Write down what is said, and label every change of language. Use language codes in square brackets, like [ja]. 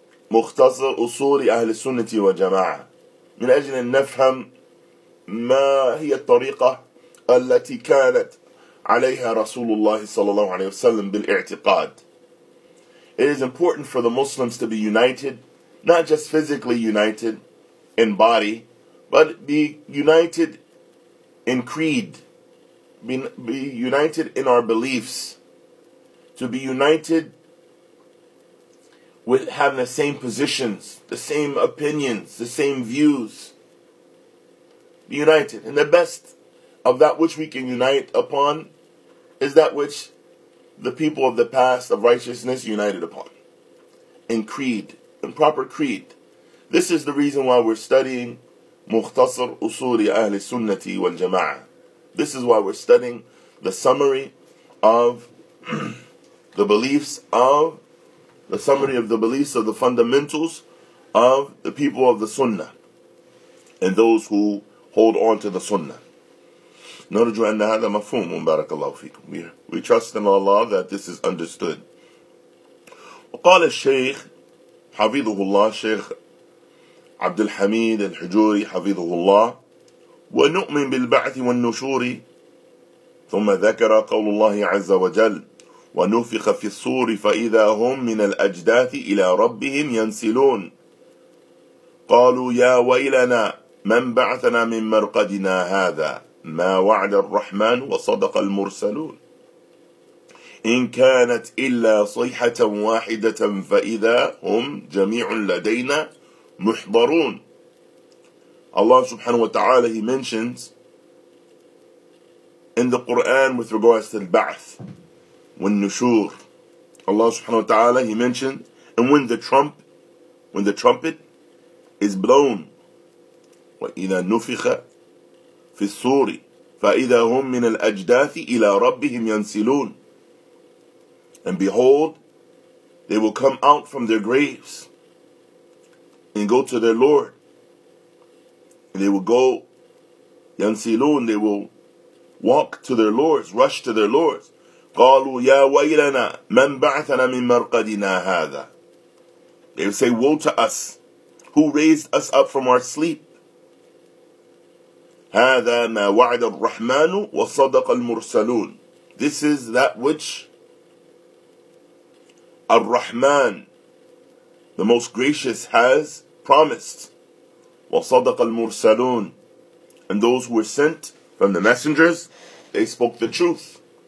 [ar] مختصر أصول أهل السنة والجماعة من أجل أن نفهم ما هي الطريقة التي كانت عليها رسول الله صلى الله عليه وسلم بالاعتقاد. [en] It is important for the Muslims to be united, not just physically united in body, but be united in creed, be united in our beliefs, to be united with having the same positions, the same opinions, the same views. Be united. And the best of that which we can unite upon is that which the people of the past of righteousness united upon. In creed, in proper creed. This is the reason why we're studying [ar] مختصر أصول أهل السنة والجماعة. [en] This is why we're studying the summary of the beliefs of the summary of the beliefs of the fundamentals of the people of the Sunnah and those who hold on to the Sunnah. [ar] نرجو أن هذا مفهوم بارك الله فيكم. [en] We trust in Allah that this is understood. [ar] وقال الشيخ حفظه الله الشيخ عبد الحميد الحجوري حفظه الله ونؤمن بالبعث والنشور ثم ذكر قول الله عز وجل ونفخ في الصور فإذا هم من الأجداث إلى ربهم ينسلون قالوا يا ويلنا من بعثنا من مرقدنا هذا ما وعد الرحمن وصدق المرسلون إن كانت إلا صيحة واحدة فإذا هم جميع لدينا محضرون. الله سبحانه وتعالى [en] he mentions in the Quran with regards to the Ba'ath. When Nushur, Allah subhanahu wa ta'ala, He mentioned, and when the trumpet is blown, [ar] وَإِذَا نُفِخَ فِي الصُّورِ فَإِذَا هُمْ مِنَ الْأَجْدَاثِ إِلَىٰ رَبِّهِمْ يَنْسِلُونَ. [en] And behold, they will come out from their graves and go to their Lord. And they will go, يَنْسِلُونَ, they will walk to their Lords, rush to their Lords. [ar] قالوا يا ويلنا من بعثنا من مرقدنا هذا. [en] They would say, woe to us, who raised us up from our sleep. [ar] هذا ما وعد الرحمن وصدق المرسلون. [en] This is that which الرحمن, the most gracious, has promised. [ar] وصدق المرسلون. [en] And those who were sent from the messengers, they spoke the truth.